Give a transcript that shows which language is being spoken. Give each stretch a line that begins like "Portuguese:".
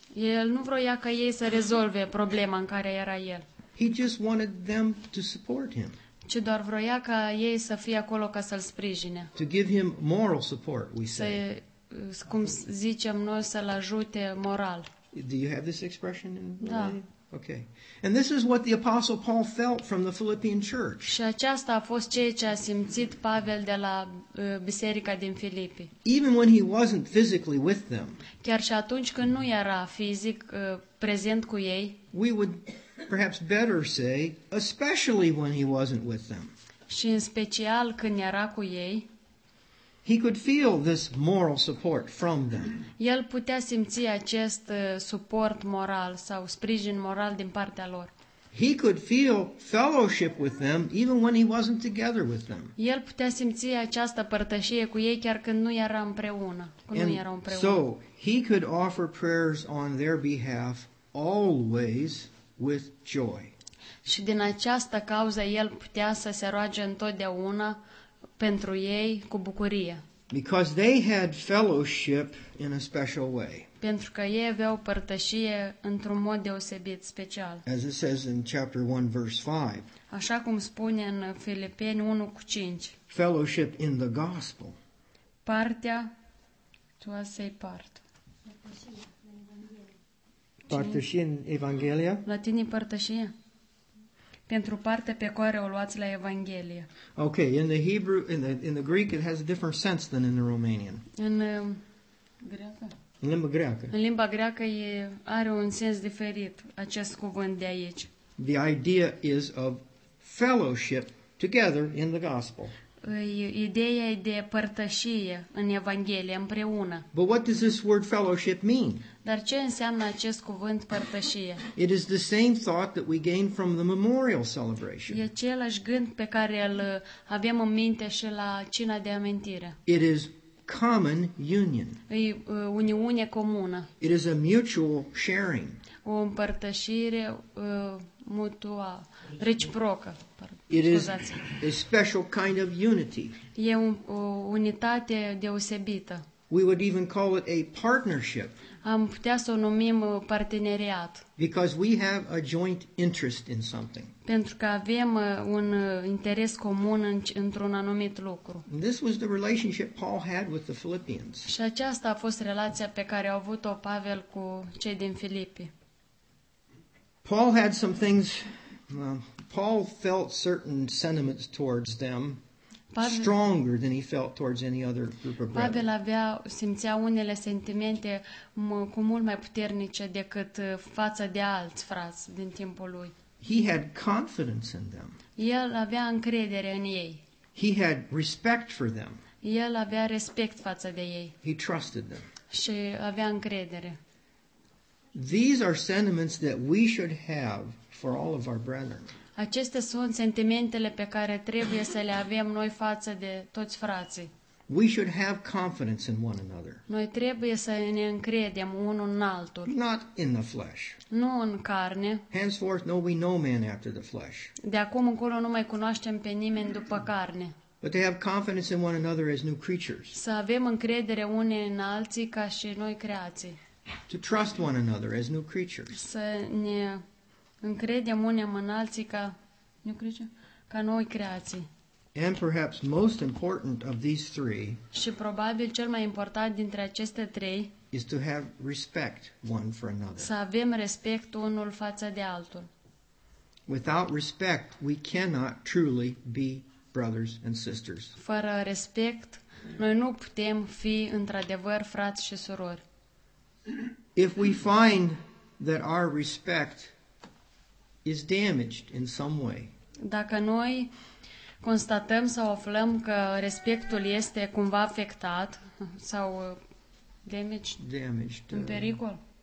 Romanian: El nu vroia ca ei să rezolve problema în care era el.
English: He just wanted them to support him.
Romanian: Ci doar vroia ca ei să fie acolo ca să-l sprijine.
English: To give him moral support, we say.
Romanian: Să, cum zicem noi, să-l ajute moral.
English: Do you have this expression in
Romanian: Da.
English: Okay. And this is what the Apostle Paul felt from the Philippian church.
Romanian: Și aceasta a fost ceea ce a simțit Pavel de la biserica din Filipi.
English: Even when he wasn't physically with them.
Romanian: Chiar și atunci când nu era fizic prezent cu ei.
English: We would perhaps better say especially when he wasn't with them.
Romanian: Și în special când era cu ei.
English: He could feel this moral support from them.
Romanian: El putea simți acest suport moral sau sprijin moral din partea lor.
English: He could feel fellowship with them even when he wasn't together with them.
Romanian: El putea simți această părtășie cu ei chiar când nu era împreună, când
English: And
Romanian: nu erau împreună.
English: So, he could offer prayers on their behalf always with joy.
Romanian: Și din această cauză el putea să se roage întotdeauna pentru ei cu bucurie.
English: Because they had fellowship in a special way.
Romanian: Pentru că ei aveau părtășie într-un mod deosebit, special.
English: As it says in chapter 1 verse 5.
Romanian: Așa cum spune în Filipeni 1 cu 5.
English: Fellowship in the gospel. Partea tu asei part.
Romanian: Partășie în Evanghelia? La tine e părtășie? pentru partea pe care o luați la Evanghelie.
English: Okay, in the Hebrew, in the Greek, it has a different sense than in the Romanian.
Romanian: În greacă? În limba greacă. În limba greacă are un sens diferit acest cuvânt de aici.
English: The idea is of fellowship together in the gospel.
Romanian: Ideea e de părtășie în Evanghelie, împreună.
English: But what does this word fellowship mean?
Romanian: Dar ce înseamnă acest cuvânt părtășie?
English: It is the same thought that we gain from the memorial celebration.
Romanian: E același gând pe care îl avem în minte și la cina de amintire.
English: It is common union.
Romanian: E uniune comună.
English: It is a mutual sharing.
Romanian: O împărtășire mutuală, reciprocă.
English: It is a special kind of unity.
Romanian: E o unitate deosebită.
English: We would even call it a partnership.
Romanian: Am putea să o numim parteneriat.
English: Because we have a joint interest in something.
Romanian: Pentru că avem un interes comun într-un anumit lucru.
English: And this was the relationship Paul had with the Philippians.
Romanian: Și aceasta a fost relația pe care a avut-o Pavel cu cei din Filipi.
English: Paul had some things. Paul felt certain sentiments towards them stronger than he felt towards any other group of brethren.
Romanian: Pavel avea, simțea unele sentimente cu mult mai puternice decât față de alți frați din timpul lui.
English: He had confidence in them.
Romanian: El avea încredere în ei.
English: He had respect for them.
Romanian: El avea respect față de ei.
English: He trusted them.
Romanian: Și avea încredere.
English: These are sentiments that we should have for all of our brethren.
Romanian: Acestea sunt sentimentele pe care trebuie să le avem noi față de toți frații.
English: We should have confidence in one another.
Romanian: Noi trebuie să ne încredem unul în altul.
English: Not in the flesh.
Romanian: Nu în carne.
English: Henceforth, no, we know man after the flesh.
Romanian: De acum încolo nu mai cunoaștem pe nimeni după carne.
English: But to have confidence in one another as new creatures.
Romanian: Să avem încredere unii în alții ca și noi creații.
English: To trust one another as new creatures.
Romanian: Să ne încredem unii în alții ca
English: new creatures,
Romanian: ca noi creații.
English: And perhaps most important of these three.
Romanian: Și probabil cel mai important dintre aceste trei.
English: Is to have respect one for another.
Romanian: Să avem respect unul față de altul.
English: Without respect, we cannot truly be brothers and sisters.
Romanian: Fără respect, noi nu putem fi într-adevăr frați și surori.
English: If we find that our respect is damaged in some way.
Romanian: Dacă noi constatăm sau aflăm că respectul este cumva afectat sau damaged în pericol.